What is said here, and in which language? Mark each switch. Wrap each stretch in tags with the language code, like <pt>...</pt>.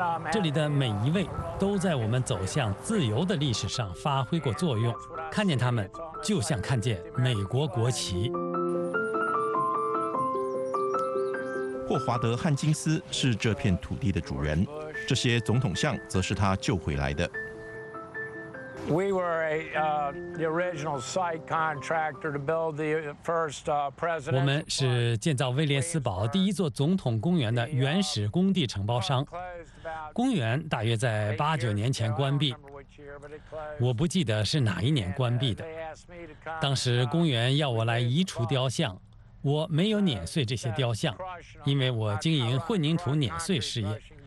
<zh>这里的每一位都在我们走向自由的历史上发挥过作用，看见他们就像看见美国国旗。霍华德·汉金斯是这片土地的主人，这些总统像则是他救回来的。</zh> <en>We were the original site contractor to build the first president.</en> <zh>我们是建造威廉斯堡第一座总统公园的原始工地承包商。公园大约在八九年前关闭，我不记得是哪一年关闭的。当时公园要我来移除雕像，我没有碾碎这些雕像，因为我经营混凝土碾碎事业。</zh>